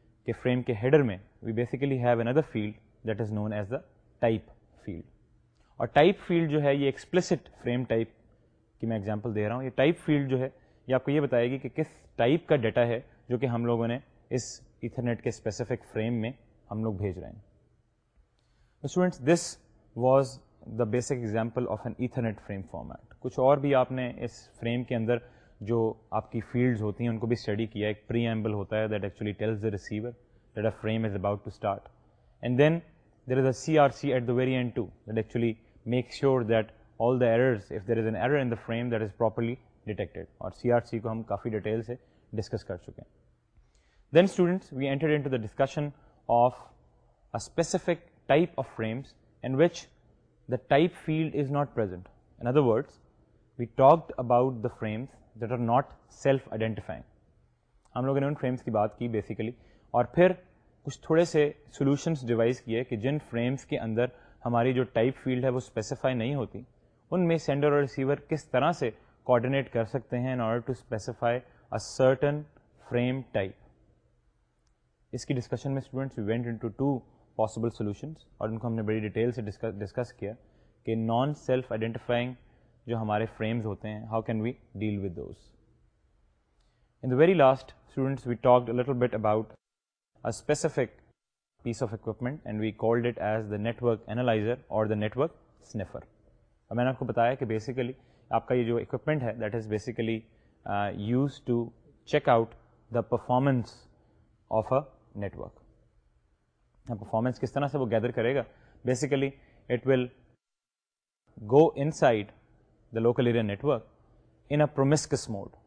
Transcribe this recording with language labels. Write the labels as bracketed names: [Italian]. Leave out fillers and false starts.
[Urdu] کے فریم کے ہیڈر میں [English] We basically have another field that is known as the type field. [Urdu] اور type field جو ہے یہ [English] explicit frame type [Urdu] کی میں ایگزامپل دے رہا ہوں, یہ ٹائپ فیلڈ جو ہے یہ آپ کو یہ بتائے گی کہ کس ٹائپ کا ڈیٹا ہے جو کہ ہم لوگوں نے اس ایتھرنیٹ کے اسپیسیفک فریم میں ہم لوگ بھیج رہے ہیں. [English] Students, this was the basic example of an ethernet frame format. [Urdu] کچھ اور بھی آپ نے اس فریم کے اندر جو آپ کی فیلڈز ہوتی ہیں ان کو بھی اسٹڈی کیا. ایک پری ایمبل ہوتا ہے [English] That actually tells the receiver that a frame is about to start, and then there is a C R C at the very end to that actually make sure that all the errors if there is an error in the frame that is properly detected. [Urdu] اور C R C کو ہم کافی detail سے discuss کر چکے ہیں. [English] Then students, we entered into the discussion of a specific type of frames in which the type field is not present. In other words, we talked about the frames that are not self-identifying. [Urdu] ہم لوگوں نے ان frames کی بات کی basically, اور پھر کچھ تھوڑے سے سولوشنس ڈیوائز کیے کہ جن فریمس کے اندر ہماری جو ٹائپ فیلڈ ہے وہ اسپیسیفائی نہیں ہوتی, ان میں سینڈر اور ریسیور کس طرح سے کوآرڈینیٹ کر سکتے ہیں [English] In order to specify a certain frame type. [Urdu] اس کی ڈسکشن میں students [English] we went into two possible solutions, [Urdu] اور ان کو ہم نے بڑی ڈیٹیل سے ڈسکس کیا کہ نان سیلف آئیڈینٹیفائنگ جو ہمارے فریمز ہوتے ہیں, [English] How can we deal with those. In the very last students, we talked little bit about a specific piece of equipment and we called it as the network analyser or the network sniffer. [Urdu] اور میں نے آپ کو بتایا کہ basically آپ کا یہ جو اکوپمنٹ ہے [English] That is basically use to check out the performance of a network. [Urdu] Performance کس طرح سے وہ گیدر کرے گا, [English] Basically it will go inside the local area network in a promiscuous mode.